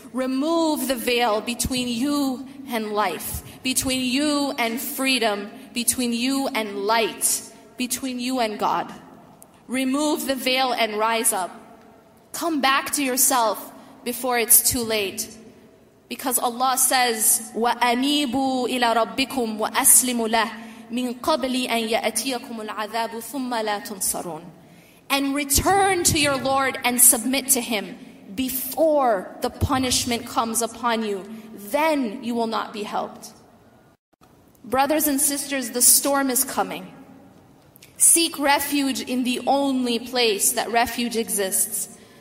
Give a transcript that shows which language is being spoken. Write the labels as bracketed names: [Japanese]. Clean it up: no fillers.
[English] Remove the veil between you and life, between you and freedom, between you and light, between you and God. Remove the veil and rise up. Come back to yourself before it's too late. [Arabic] Because Allah says, وَأَنِيبُوا إِلَىٰ رَبِّكُمْ وَأَسْلِمُوا لَهُ مِنْ قَبْلِ أَنْ يَأْتِيَكُمُ الْعَذَابُ ثُمَّ لَا تُنْصَرُونَ. [English] And return to your Lord and submit to Him before the punishment comes upon you. Then you will not be helped. Brothers and sisters, the storm is coming. Seek refuge in the only place that refuge exists.